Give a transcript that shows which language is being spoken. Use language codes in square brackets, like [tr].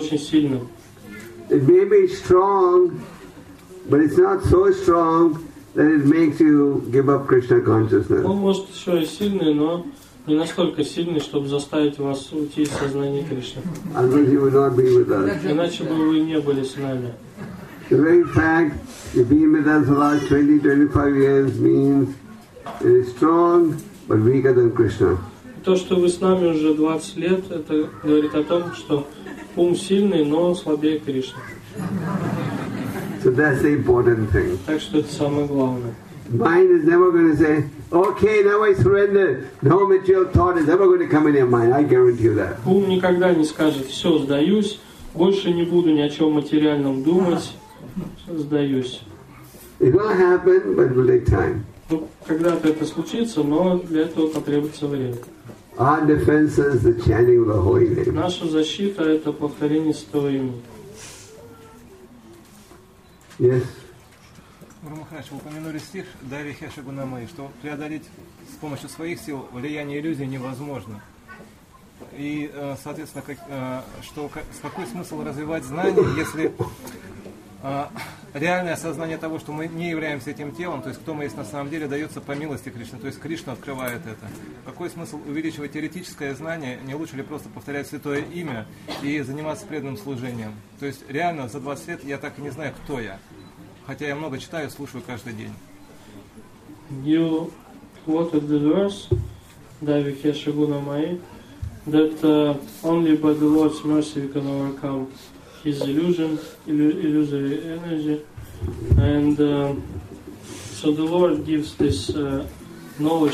[en] It may be strong, but it's not so strong that it makes you give up Krishna consciousness. [ru] Он может еще и сильный, но не настолько сильный, чтобы заставить вас уйти из сознания Кришны. [en] Otherwise you would not be with us. [ru] Иначе бы вы не были с нами. [en] The very fact you've been with us the last 20-25 years means it is strong, but weaker than Krishna. [ru] То, что вы с нами уже 20 лет, это говорит о том, что ум сильный, но слабее Кришны. [en] So that's the important thing. [ru] Так что это самое главное. [en] Mind is never going to say, okay, now I surrender. No material thought is ever going to come in your mind. I guarantee you that. [ru] Ум никогда не скажет, все, сдаюсь, больше не буду ни о чем материальном думать. Сдаюсь. [en] It will happen, but it will take time. [ru] Ну, когда-то это случится, но для этого потребуется время. [en] Our defense is the chanting of the holy name. [ru] Наша защита – это повторение святого имени. [en] Yes. [ru] Гуру Махарадж, вы упомянули стих Дари Хеша Гунамы, что преодолеть с помощью своих сил влияние иллюзии невозможно. И, соответственно, с какой смысл развивать знания, если реальное осознание того, что мы не являемся этим телом, то есть кто мы есть на самом деле, дается по милости Кришны, то есть Кришна открывает это. Какой смысл увеличивать теоретическое знание, не лучше ли просто повторять святое имя и заниматься преданным служением? То есть реально за 20 лет я так и не знаю, кто я, хотя я много читаю, слушаю каждый день. [en] You quoted the verse, Dāvī Kheśa Guna Mahī, that only by the Lord's mercy we can overcome his illusion, illusory energy, and so the Lord gives this knowledge.